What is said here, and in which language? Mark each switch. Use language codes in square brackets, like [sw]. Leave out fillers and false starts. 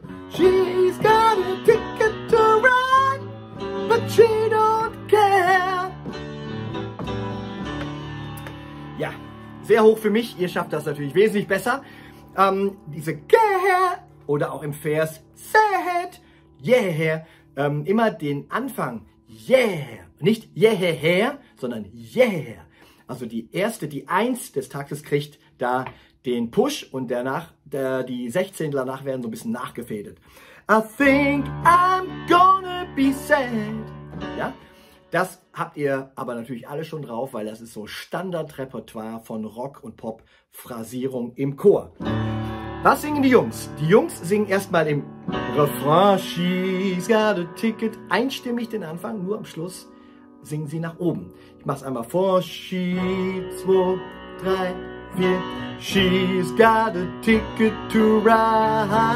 [en] She's got a ticket to ride, but she don't care. [de] Ja, sehr hoch für mich. Ihr schafft das natürlich wesentlich besser. Diese care oder auch im Vers sad, yeah, immer den Anfang yeah, nicht yeah, her, sondern yeah. Also die erste, die eins des Taktes kriegt da den Push und danach, die 16er danach werden so ein bisschen nachgefädelt. [en] I think I'm gonna be sad. [de] Ja, das habt ihr aber natürlich alle schon drauf, weil das ist so Standardrepertoire von Rock- und Pop-Phrasierung im Chor. Was singen die Jungs? Die Jungs singen erstmal im Refrain, [en] she's got a ticket, [de] einstimmig den Anfang, nur am Schluss singen sie nach oben. Ich mach's einmal vor, she, zwei, drei, vier. [en] She's got a ticket to ride.